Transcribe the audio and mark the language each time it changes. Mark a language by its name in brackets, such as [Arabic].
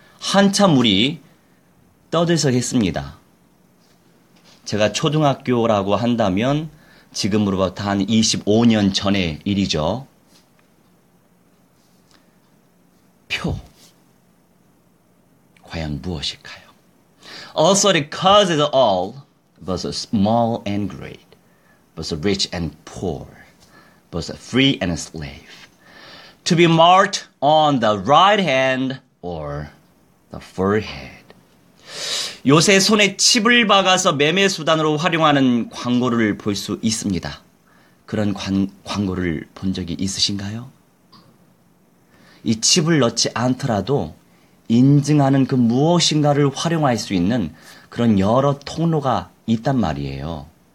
[Korean] 한참 우리 떠들썩 했습니다. 제가 초등학교라고 한다면 지금으로부터 한 25년 전의 일이죠. 표, 과연 무엇일까요? [English] Also, the causes of all was small and great. both rich and poor, both free and slave, to be marked on the right hand or the forehead. [Korean] 요새 손에 칩을 박아서 매매 수단으로 활용하는 광고를 볼 수 있습니다. 그런 광고를 본 적이 있으신가요? 이 칩을 넣지 않더라도 인증하는 그 무엇인가를 활용할 수 있는 그런 여러 통로가 있단 말이에요.